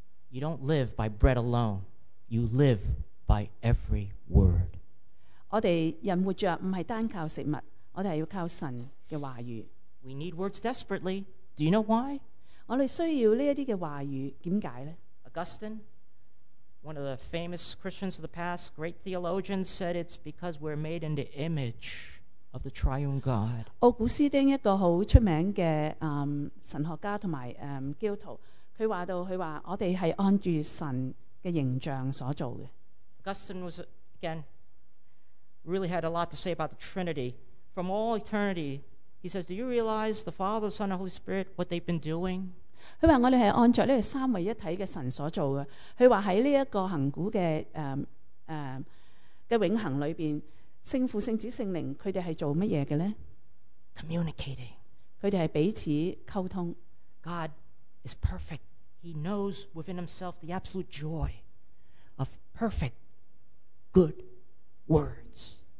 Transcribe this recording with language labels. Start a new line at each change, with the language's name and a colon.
English: You don't live by bread alone. You live by every word.
Cantonese: 我哋人活着唔系单靠食物，我哋系要靠神嘅话语。
English: We need words desperately. Do you know why?
Cantonese: 我哋需要呢一啲嘅話語，點解咧
English: ？Augustine, one of the famous Christians of the past, great theologian, said it's because we're made in the image of the Triune God.
Cantonese: 奧古斯丁一個好出名嘅神學家同埋基督徒，佢話到佢話我哋係按住神嘅形象所做嘅。
English: Augustine was again really had a lot to say about the Trinity from all eternity. He says, "Do you realize the Father, Son, and Holy Spirit what they've been doing?"
Cantonese: 佢話：我哋係按著呢個三位一體嘅神所做嘅。佢話喺呢一個恆古嘅嘅永恆裏邊，聖父、聖子、聖靈，佢哋係做乜嘢嘅咧
English: ？Communicating，
Cantonese: 佢哋係彼此溝通。
English: God is perfect. He knows within himself the absolute joy of perfect good words.